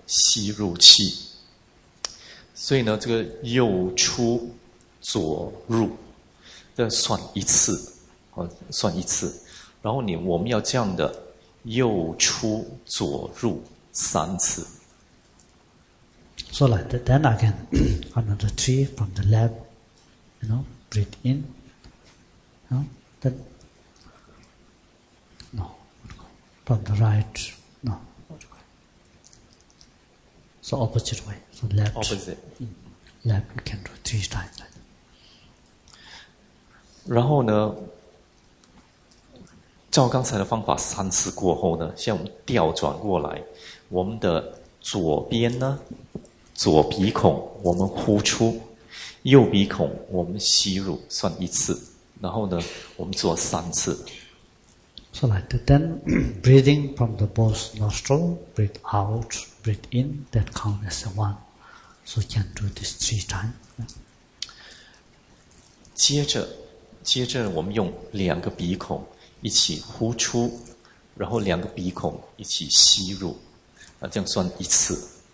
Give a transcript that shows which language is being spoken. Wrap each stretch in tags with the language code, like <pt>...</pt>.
<zh>吸入气，所以呢，这个右出左入要算一次，算一次。然后我们要这样的右出左入三次。</zh> <en>So like that, then again, another three from the left, you know, breathe in, you know, then, no, from the right, no, so opposite way, so left, opposite. Left, you can do three times like that.</en> <zh>然后呢，照刚才的方法三次过后呢，现在我们调转过来，我们的左边呢，左鼻孔我们呼出，右鼻孔我们吸入，算一次，然后呢我们做三次。</zh> <en>So like that, then breathing from the both nostril, breathe out, breathe in, that count as a one. So you can do this three times.</en> <zh>接着我们用两个鼻孔一起呼出，然后两个鼻孔一起吸入，这样算一次。</zh>